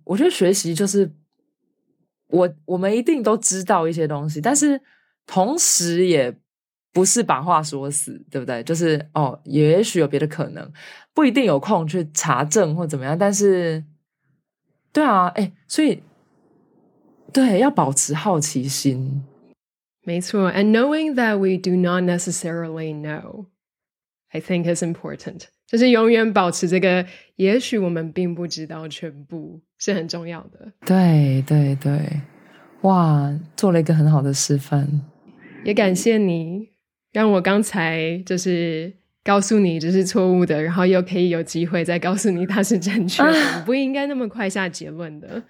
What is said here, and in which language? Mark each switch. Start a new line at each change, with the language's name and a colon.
Chinese: 我觉得学习就是我们一定都知道一些东西，但是同时也不是把话说死，对不对？就是哦，也许有别的可能，不一定有空去查证或怎么样，但是对啊，欸，所以对，要保持好奇心。没错，
English: and knowing that we do not necessarily know, I think is important.
Chinese: 就是永远保持这个，也许我们并不知道全部，是很重要的。对对对，哇，做了一个很好的示范。也感谢你，让我刚才就是告诉你这是错误的，然后又可以有机会再告诉你它是正确的，不应该那么快下结论的。